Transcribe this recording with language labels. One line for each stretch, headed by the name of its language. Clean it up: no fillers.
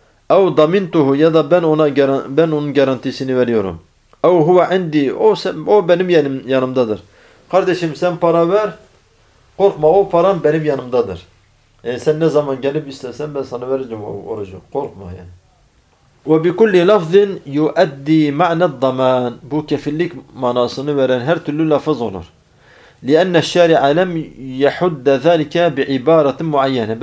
Arabic: Ev damintuhu
Turkish: ya da ben onun garantisini veriyorum.
Arabic: او هو عندي او
Turkish: sen, o benim yanımdadır. Kardeşim sen para ver. Korkma, o param benim yanımdadır. Yani sen ne zaman gelip istersen ben sana vereceğim o orucu. Korkma yani.
Arabic: وبكل لفظ يؤدي معنى الضمان.
Turkish: Bu kefillik manasını veren her türlü lafız olur.
Arabic: لان الشارع لم يحد ذلك بعبارة معينة.